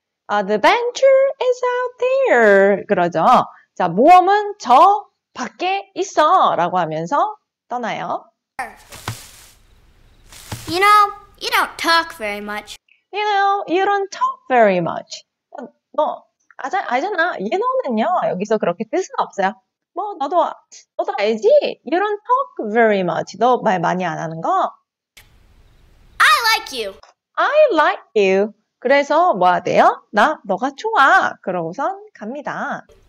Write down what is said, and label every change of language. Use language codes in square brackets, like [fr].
[en] 아, the venture is out there. [ko] 그러죠. 자, 모험은 저 밖에 있어 라고 하면서 떠나요. [en] You know, you don't talk very much. You know, you don't talk very much. [ko] 너 알잖아. You know는요, 여기서 그렇게 뜻은 없어요. 뭐, 너도 알지? [en] You don't talk very much. [ko] 너말 많이 안 하는 거? [en] I like you. I like you. [ko] 그래서 뭐 하대요? 나 너가 좋아. 그러고선 갑니다.